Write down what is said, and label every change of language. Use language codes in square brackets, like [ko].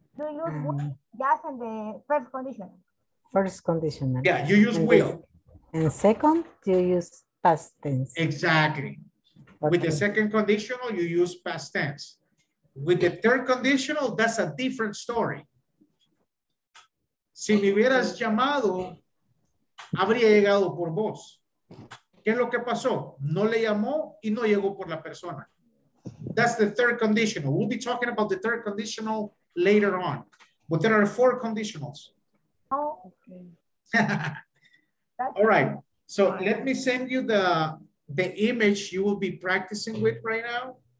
[en] Do you use gas in the first conditional? First conditional. Yeah, you use will. And second, you use past tense. Exactly. Okay. With the second conditional, you use past tense. With the third conditional, that's a different story. [es] Si me hubieras llamado, habría llegado por vos. ¿Qué es lo que pasó? No le llamó y no llegó por la persona. [en] That's the third conditional. We'll be talking about the third conditional later on. But there are four conditionals. Oh, okay. All right. So let me send you the image you will be practicing with right now.